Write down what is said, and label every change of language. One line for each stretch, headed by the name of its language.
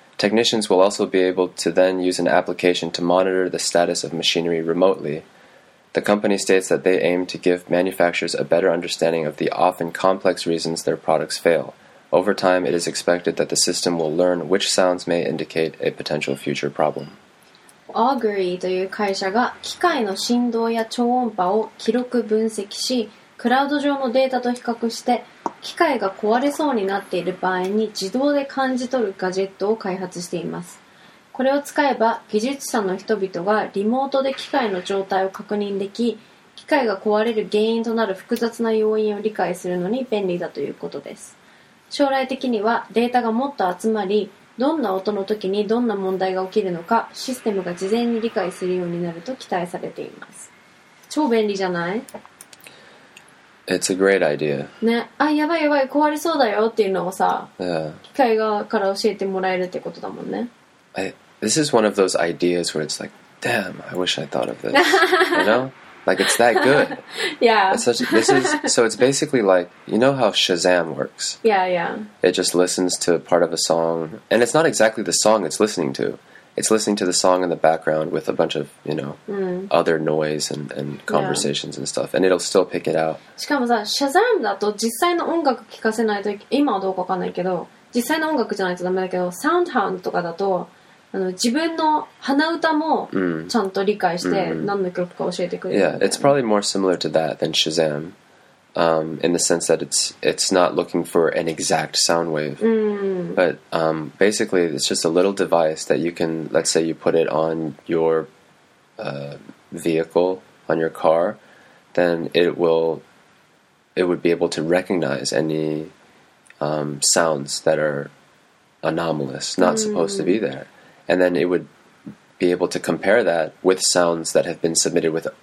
English: Technicians will also be able to then use an application to monitor the status of machinery remotely. The company states that they aim to give manufacturers a better understanding of the often complex reasons their products fail. Over time, it is expected that the system will learn which sounds may indicate a potential future problem.
Japanese: Augury という会社が機械の振動や超音波を記録分析し、クラウド上のデータと比較して、機械が壊れそうになっている場合に自動で感じ取るガジェットを開発しています。これを使えば、技術者の人々がリモートで機械の状態を確認でき、機械が壊れる原因となる複雑な要因を理解するのに便利だということです。将来的にはデータがもっと集まり、どんな音の時にどんな問題が起きるのか、システムが事前に理解するようになると期待されています。超便利じゃない？
English: It's a great idea.
Japanese: ね、あ、やばいやばい、壊れそうだよっていうのをさ、
English: yeah.
Japanese: 機械側から教えてもらえるってことだもんね。
English: This is one of those ideas where it's like, damn, I wish I thought of this. You know? Like, it's that good. Yeah. So it's basically like, you know how Shazam works? Yeah, yeah. It just listens to part of a song. And it's not exactly the song it's listening to. It's listening to the song in the background with a bunch of, you know, other noise and conversations and stuff. And it'll still pick it out.
Japanese: しかもさ、Shazam だと実際の音楽聞かせないと、今はどうかわかんないけど、実際の音楽じゃないとダメだけど、Soundhound とかだと、あの、自分の鼻歌もちゃんと理解して何の曲か教えてくれるみたいな。
English: Yeah, it's probably more similar to that than Shazam, in the sense that it's not looking for an exact sound wave. But basically, it's just a little device that you can, let's say you put it on your vehicle, on your car, then it would be able to recognize any sounds that are anomalous, not supposed to be there. And then it would be able to compare that with sounds that have been submitted with